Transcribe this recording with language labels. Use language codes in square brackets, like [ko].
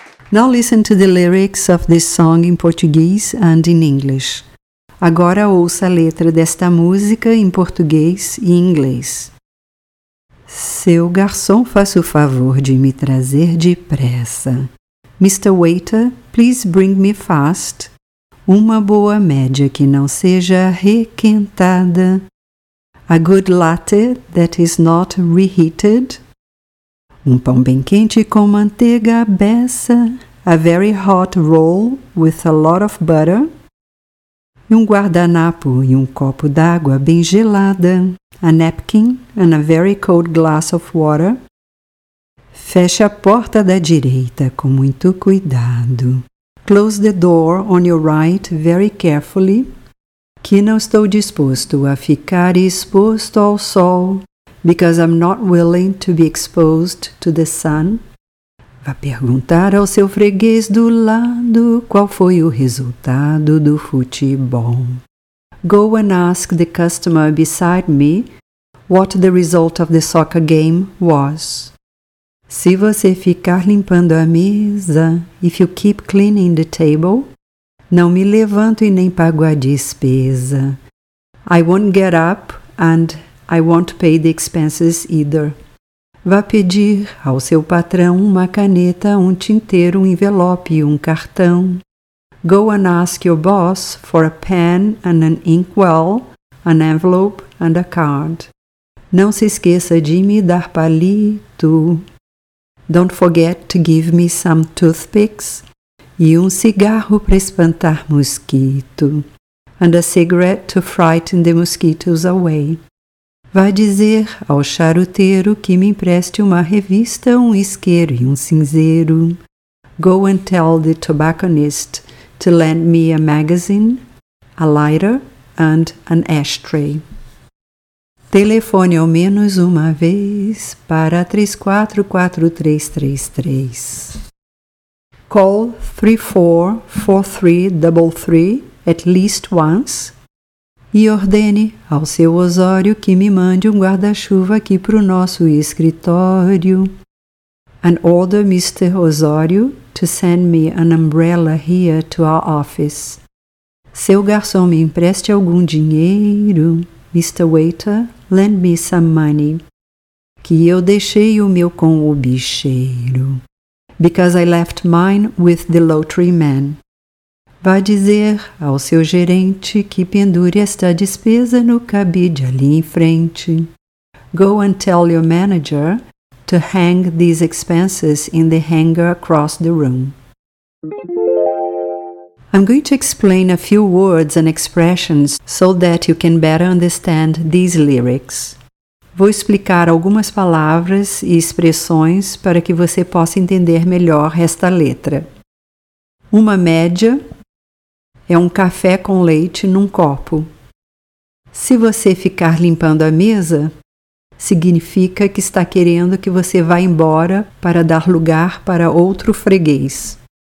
[en] Now listen to the lyrics of this song in Portuguese and in English. [pt] Agora ouça a letra desta música em português e inglês. Seu garçom, faça o favor de me trazer depressa. [en] Mr. Waiter, please bring me fast. [pt] Uma boa média que não seja requentada. [en] A good latte that is not reheated. [pt] Um pão bem quente com manteiga, beça. [en] A very hot roll with a lot of butter. [pt] E um guardanapo e um copo d'água bem gelada. [en] A napkin and a very cold glass of water. [pt] Feche a porta da direita com muito cuidado. [en] Close the door on your right very carefully. [pt] Que não estou disposto a ficar exposto ao sol. [en] Because I'm not willing to be exposed to the sun. [pt] Vá perguntar ao seu freguês do lado qual foi o resultado do futebol. [en] Go and ask the customer beside me what the result of the soccer game was. [pt] Se você ficar limpando a mesa, [en] if you keep cleaning the table, [pt] não me levanto e nem pago a despesa. [en] I won't get up and I won't pay the expenses either. [pt] Vá pedir ao seu patrão uma caneta, um tinteiro, um envelope e um cartão. [en] Go and ask your boss for a pen and an inkwell, an envelope and a card. [pt] Não se esqueça de me dar palito. [en] Don't forget to give me some toothpicks. [pt] E um cigarro para espantar mosquito. [en] And a cigarette to frighten the mosquitoes away. [pt] Vai dizer ao charuteiro que me empreste uma revista, um isqueiro e um cinzeiro. [en] Go and tell the tobacconist to lend me a magazine, a lighter and an ashtray. [pt] Telefone ao menos uma vez para 344-333. [en] Call 344-333 at least once. [pt] E ordene ao seu Osório que me mande um guarda-chuva aqui para o nosso escritório. [en] And order Mr. Osório to send me an umbrella here to our office. [pt] Seu garçom, me empreste algum dinheiro. [en] Mr. Waiter, lend me some money. [pt] Que eu deixei o meu com o bicheiro. [en] Because I left mine with the lottery man. [pt] Vá dizer ao seu gerente que pendure esta despesa no cabide ali em frente. [en] Go and tell your manager to hang these expenses in the hanger across the room. I'm going to explain a few words and expressions so that you can better understand these lyrics. [pt] Vou explicar algumas palavras e expressões para que você possa entender melhor esta letra. Uma média é um café com leite num copo. Se você ficar limpando a mesa, significa que está querendo que você vá embora para dar lugar para outro freguês.